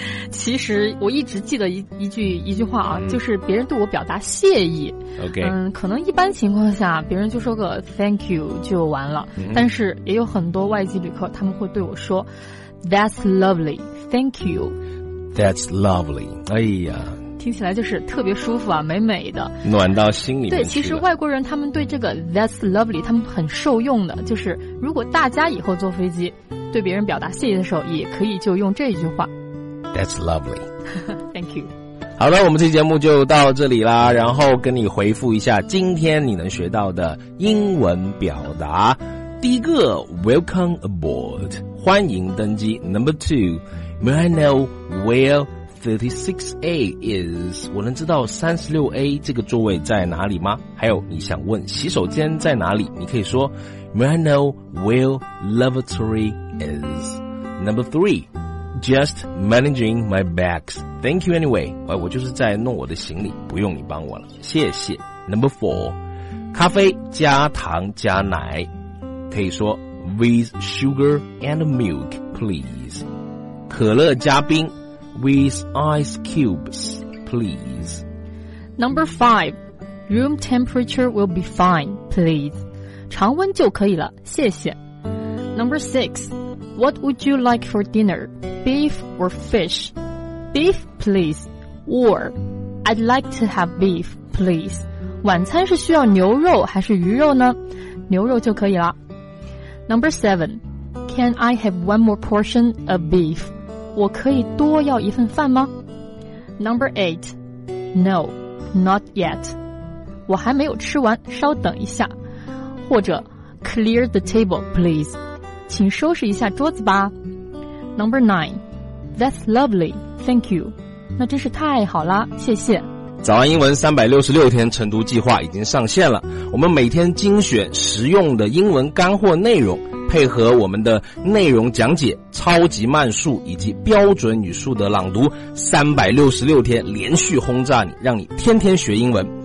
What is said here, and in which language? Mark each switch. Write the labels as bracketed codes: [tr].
[zh] 其实我一直记得一句话啊，就是别人对我表达谢意。 [en] OK， [zh] 可能一般情况下别人就说个 [en] Thank you [zh] 就完了，但是也有很多外籍旅客，他们会对我说 [en] That's lovely, Thank you。 That's lovely， 哎呀， [zh] 听起来就是特别舒服啊，美美的，暖到心里面去了。对，其实外国人他们对这个 [en] That's lovely [zh] 他们很受用的，就是如果大家以后坐飞机对别人表达谢意的时候，也可以就用这一句话 [en] That's lovely。 Thank you。 [zh] 好了，我们这节目就到这里啦，然后跟你回复一下今天你能学到的英文表达。第一个 [en] Welcome aboard， [zh] 欢迎登机。 [en] Number two，May I know where 36A is? [zh] 我能知道 36A 这个座位在哪里吗？还有你想问洗手间在哪里，你可以说 [en] May I know where lavatory is? Number three, just managing my bags. Thank you anyway. [zh] 我就是在弄我的行李，不用你帮我了，谢谢。 [en] Number four, [zh] 咖啡加糖加奶，可以说 [en] with sugar and milk, please. [zh] 可乐加冰 [en] ，with ice cubes, please. Number five, room temperature will be fine, please. [zh] 常温就可以了，谢谢。 [en] Number six, what would you like for dinner? Beef or fish? Beef, please. Or, I'd like to have beef, please. [zh] 晚餐是需要牛肉还是鱼肉呢？牛肉就可以了。 [en] Number seven, can I have one more portion of beef? [zh] 我可以多要一份饭吗？ [en] Number 8 No, not yet. [zh] 我还没有吃完，稍等一下。或者 [en] Clear the table, please. [zh] 请收拾一下桌子吧。 [en] Number 9 That's lovely, thank you. [zh] 那真是太好了，谢谢。早安英文366天晨读计划已经上线了，我们每天精选实用的英文干货内容，配合我们的内容讲解、超级慢速以及标准语速的朗读，366天连续轰炸你，让你天天学英文。